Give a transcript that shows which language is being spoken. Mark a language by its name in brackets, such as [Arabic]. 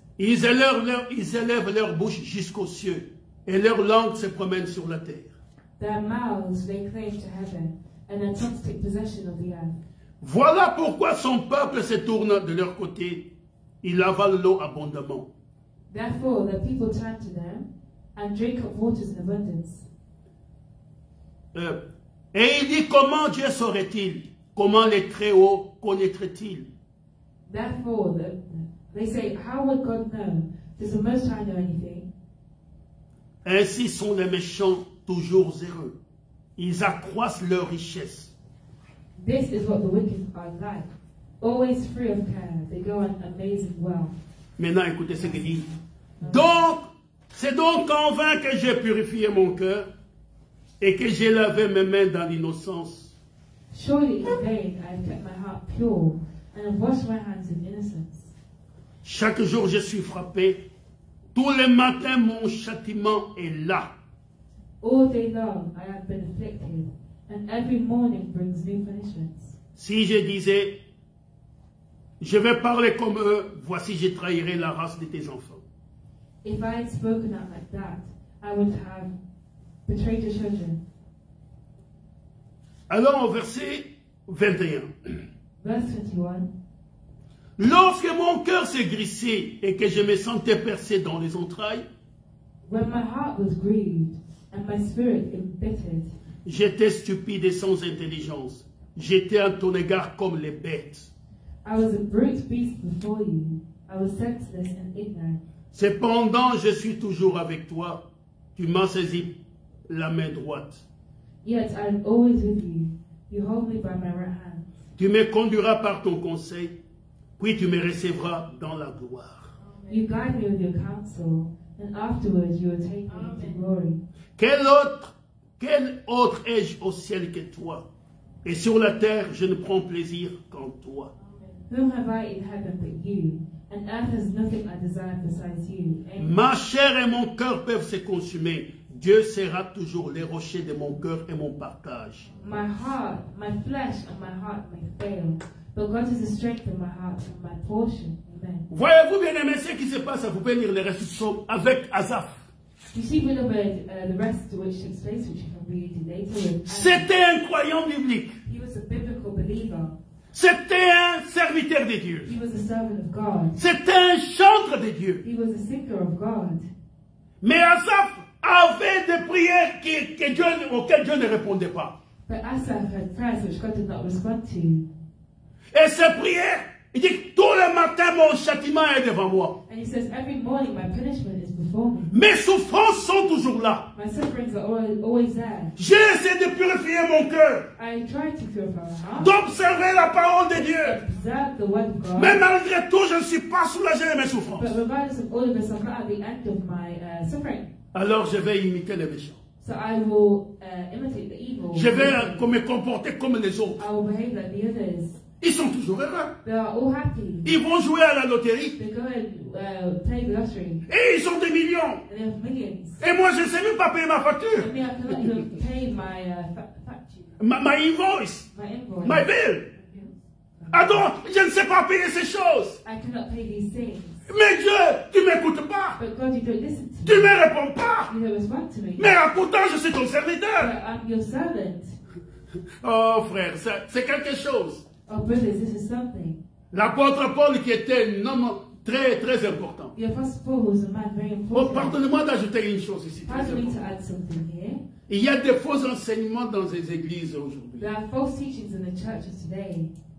[French] Ils élèvent leur bouche jusqu'aux cieux, et leur langue se promène sur la terre. [English] Their mouths they claim to heaven, and their tongues take possession of the earth. [French] Voilà pourquoi son peuple se tourne de leur côté. Il avale l'eau abondamment. [English] Therefore, the people turn to them and drink of waters in abundance. [French] Et il dit, comment Dieu saurait-il? Comment les très hauts connaîtraient-ils? [English] Therefore, they say, how would God know? Does the Most High know anything? [French] Ainsi sont les méchants toujours heureux. Ils accroissent leur richesse. [English] This is what the wicked are like. Always free of care, they go on amazing wealth. [French] Maintenant, écoutez ce qu'il dit. Donc, c'est donc en vain que j'ai purifié mon cœur et que j'ai lavé mes mains dans l'innocence. [English] Surely in vain I have kept my heart pure and have washed my hands in innocence. [French] Chaque jour je suis frappé. Tous les matins mon châtiment est là. [English] All day long I have been afflicted. And every morning brings new punishments. [French] Si je disais, je vais parler comme eux, voici je trahirai la race de tes enfants. [English] If I had spoken out like that, I would have betrayed your children. [French] Alors au verset 21. [English] Verse 21. [French] Lorsque mon cœur s'est grissé et que je me sentais percé dans les entrailles, [English] when my heart was grieved and my spirit embittered, [French] j'étais stupide et sans intelligence. J'étais à ton égard comme les bêtes. [English] I was a brute beast before you. I was senseless and ignorant. [French] Cependant, je suis toujours avec toi. Tu m'as saisi la main droite. [English] Yet I am always with you. You hold me by my right hand. [French] Tu me conduiras par ton conseil, puis tu me recevras dans la gloire. Amen. [English] You guide me with your counsel, and afterwards you will take me to glory. [French] Quel autre ai-je au ciel que toi? Et sur la terre, je ne prends plaisir qu'en toi. [English] Whom have I in heaven but you? And earth has nothing I desire besides you. Amen. [French] Ma chair et mon cœur peuvent se consumer. Dieu sera toujours le rocher de mon cœur et mon partage. [English] My heart, my flesh and my heart may fail, but God is the strength of my heart and my portion. Amen. [French] Voyez-vous bien, aimé, ce qui se passe à vous bénir les restes du psaume avec Asaph. [English] You see, beloved, the rest of which takes place, which you can read later. [French] C'était un croyant biblique. [English] He was a biblical believer. [French] C'était un serviteur de Dieu. [English] He was a servant of God. [French] C'était un chantre de Dieu. [English] He was a singer of God. [French] Mais Asaph avait des prières auxquelles Dieu ne répondait pas. [English] But Asaph had prayers which God did not respond to. [French] Et ces prières, il dit, tous les matins, mon châtiment est devant moi. [English] And he says, every morning, my punishment is before me. [French] Mes souffrances sont toujours là. [English] My sufferings are always there. [French] J'essaie de purifier mon cœur. [English] I try to purify my heart. [French] D'observer la parole de Dieu. [English] Observe the word of God. [French] Mais malgré tout, je ne suis pas soulagé de mes souffrances. [English] But regardless of all of this, I'm not at the end of my suffering. [French] Alors je vais imiter les méchants. [English] So I will imitate the evil. [French] Je vais me comporter comme les autres. [English] I will behave like the others. [French] Ils sont toujours heureux. [English] They are all happy. [French] Ils vont jouer à la loterie. [English] They go and play the lottery. [French] Et ils ont des millions. [English] And they have millions. [French] Et moi je ne sais même pas payer ma facture. [English] And me, I cannot even pay my facture. My invoice. My bill. [French] Ah donc, je ne sais pas payer ces choses. [English] I cannot pay these things. [French] Mais Dieu, tu ne m'écoutes pas. [English] But God, you don't listen to [French] tu Tu ne me réponds pas. [English] You don't respond to me. [French] Mais pourtant, je suis ton serviteur. [English] But I'm your servant. [French] Oh frère, c'est quelque chose. [English] Oh brothers, this is something. [French] L'apôtre Paul, qui était un homme très très important. [English] The apostle Paul was a man very important. [French] Oh, pardonne-moi d'ajouter une chose ici. [English] Pardon me to add something here. [French] Il y a des faux enseignements dans les églises aujourd'hui. [English] There are false teachings in the churches today.